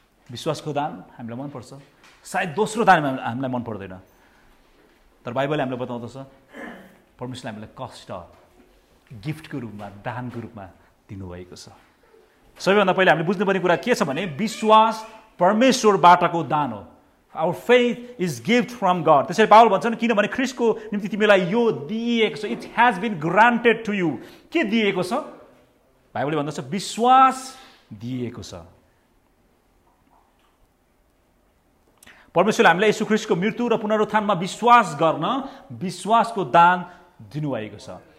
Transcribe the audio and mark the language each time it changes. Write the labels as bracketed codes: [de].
[ne] विश्वासको दान हामीलाई मनपर्छ, सायद दोस्रो दान हामीलाई मन पर्दैन, तर बाइबलले हामीलाई बताउँदछ परमेश्वरले हामीलाई कष्ट गिफ्टको रूपमा, दानको रूपमा दिनुभएको छ। सबैभन्दा पहिले हामीले बुझ्नुपर्ने कुरा के छ भने, विश्वास परमेश्वरबाटको दान हो। [en] Our faith is gift from God. [ne] त्यसैले पावल भन्छन्, किनभने ख्रिस्टको निम्ति तिमीलाई यो दिइएको छ, [en] It has been granted to you. [ne] के दिएको छ? बाइबलले भन्दछ विश्वास दिएको छ। परमेश्वरले हामीलाई येशू ख्रिस्टको मृत्यु र पुनरुत्थानमा विश्वास गर्न विश्वासको दान दिनुभएको छ।